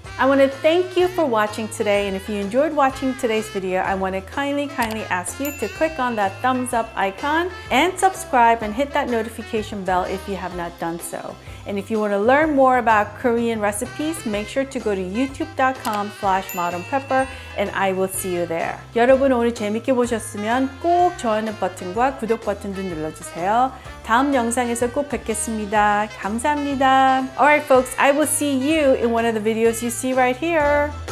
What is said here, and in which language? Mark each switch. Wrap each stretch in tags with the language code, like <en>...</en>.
<en>I want to thank you for watching today, and if you enjoyed watching today's video, I want to kindly ask you to click on that thumbs up icon and subscribe and hit that notification bell if you have not done so. And if you want to learn more about Korean recipes, make sure to go to youtube.com/modernpepper and I will see you there.</en> <ko>여러분 오늘 재밌게 보셨으면 꼭 좋아요 버튼과 구독 버튼도 눌러주세요. 다음 영상에서 꼭 뵙겠습니다. 감사합니다.</ko> <en>All right, folks, I will see you in one of the videos you see right here.</en>